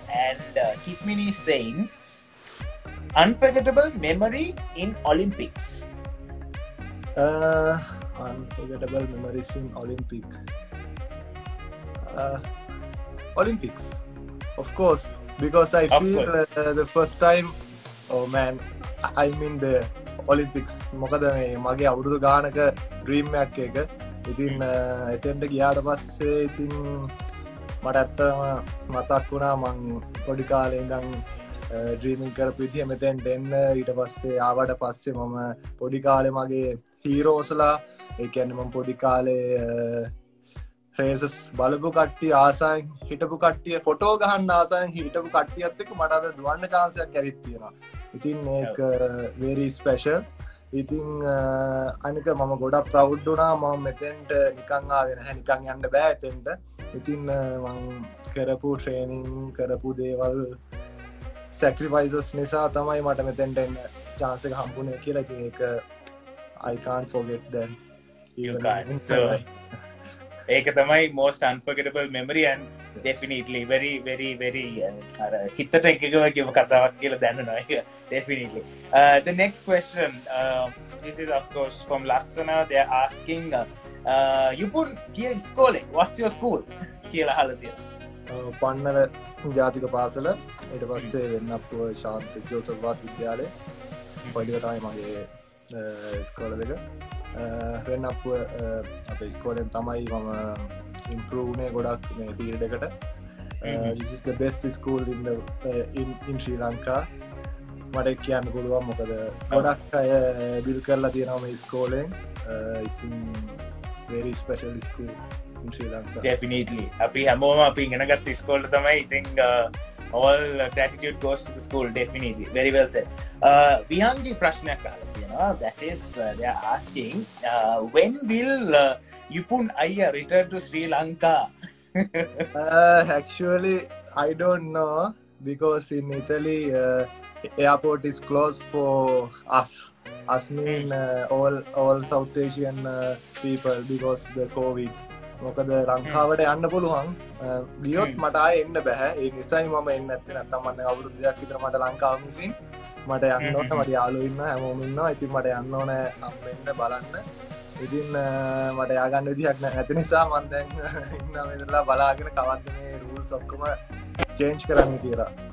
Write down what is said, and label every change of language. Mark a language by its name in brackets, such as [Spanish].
[English] And Kitmini is saying, unforgettable memory in Olympics. Unforgettable memories in Olympics. Olympics, of course, because I feel the first time, oh man, I'm in the Olympics. [Sinhala] මොකද මේ මගේ අවුරුදු ගානක dream එකක් එක. ඉතින් එතෙන්ට ගියාට පස්සේ ඉතින් මට ඇත්තම මතක් වුණා මං පොඩි කාලේ ඉඳන් ඩ්‍රීමින් කරපු විදිය මෙතෙන්ට එන්න. ඊට පස්සේ ආවට පස්සේ මම පොඩි කාලේ මගේ හීරෝස්ලා, ඒ කියන්නේ මම පොඩි කාලේ රේසස් බලපු කට්ටිය ආසයන් හිටපු කට්ටිය ෆොටෝ ගහන්න ආසයන් හිටපු කට්ටියත් එක්ක මට අද දුවන්න chance එකක් ඇවිත් තියෙනවා. ඉතින් ඒක [English] very special. [Sinhala] ඉතින් අනික මම ගොඩක් proud වුණා මම මෙතෙන්ට නිකන් ආවේ නැහැ නිකන් යන්න බෑ එතෙන්ට. ඉතින් මම කරපු training කරපු දේවල් sacrifices නිසා තමයි මට මෙතෙන්ට එන්න chance එක හම්බුනේ කියලා. ඉතින් ඒක [English] I can't forget them. You guys. [Sinhala] So ඒක තමයි [English] most unforgettable memory and definitely very very [Sinhala] very අර හිතට එකගව කියව කතාවක් කියලා දැනනවා ඒක definitely. [English] The next question, this is of course from Lassana. They are asking, Yupun, [Sinhala] ගිය ඉස්කෝලේ, [English] what's your school? [Sinhala] කියලා අහලා තියෙනවා. පන්නල ජාතික පාසල, ඊට පස්සේ වෙන්නප්පුව ශාන්ත ජෝසප් විශ්වවිද්‍යාලය. පොඩිව තමයි මගේ ස්කෝල එක. වෙන්නප්පුව අපේ ස්කෝලෙන් තමයි මම improve වුණේ ගොඩක් මේ field එකට. [English] This is the best school in the in Sri Lanka. [Sinhala] මට කියන්න පුළුවන් මොකද ගොඩක් අය build කරලා තියෙනවා මේ ස්කෝලෙන්. [English] It's very special school in Sri Lanka. [Sinhala] Definitely. අපි හැමෝම අපි ඉගෙනගත්ත ස්කෝල තමයි. [English] I think all gratitude goes to the school, definitely. Very well said. [Sinhala] Vihangi ප්‍රශ්නයක් අහලා තියෙනවා. [English] That is they are asking, when will Yupun Aiya return to Sri Lanka? Actually, I don't know, because in Italy, airport is closed for us. Us mean all South Asian people, because the COVID. [Sinhala] මොකද ලංකාවට යන්න පුළුවන් ගියොත් මට ආයෙ එන්න බෑ. ඒ නිසායි මම එන්නේ නැත්තේ. නැත්තම් මම අවුරුදු දෙකක් විතර මට ලංකාව මිසින් මට යන්න ඕන. මට යාළුවෝ ඉන්නවා, හැමෝම ඉන්නවා. ඉතින් මට යන්න ඕන හම්බෙන්න බලන්න. ඉතින් මට යාගන්න විදිහක් නැති නිසා මම දැන් ඉන්නවා මෙතනලා බලාගෙන කවද්ද මේ රූල්ස් ඔක්කොම චේන්ජ් කරන්නේ කියලා.